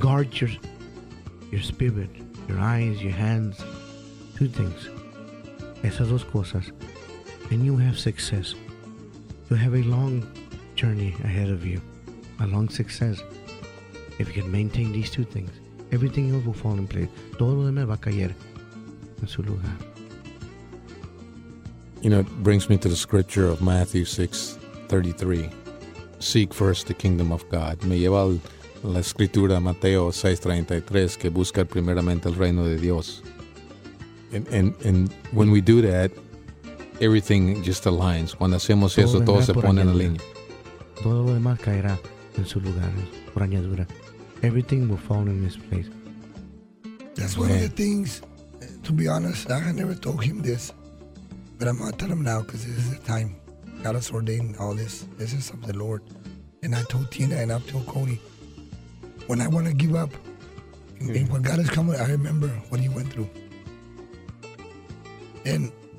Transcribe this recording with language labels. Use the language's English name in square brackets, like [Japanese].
[English] Guard your spirit, your eyes, your hands. Two things. [Spanish] Esas dos cosas. [English] And you have success. You have a long journey ahead of you. A long success. If you can maintain these two things, everything else will fall in place. [Spanish] Todo lo demás va a caer en su lugar. [English] You know, it brings me to the scripture of Matthew 6:33, seek first the kingdom of God. [Spanish] Me lleva la escritura Mateo 6:33, que busca primeramente el reino de Dios. [English] And when we do that, everything just aligns. [Spanish] Cuando hacemos todo eso, todo se pone en línea. Todo lo demás caerá en su lugar, por añadura. [English] Everything will fall in this place. That's one of the things, to be honest, I never told him this, but I'm going to tell him now because this is the time. God has ordained all this. This is of the Lord. And I told Tina and I told Cody, when I want to give up, and when God is coming, I remember what he went through. And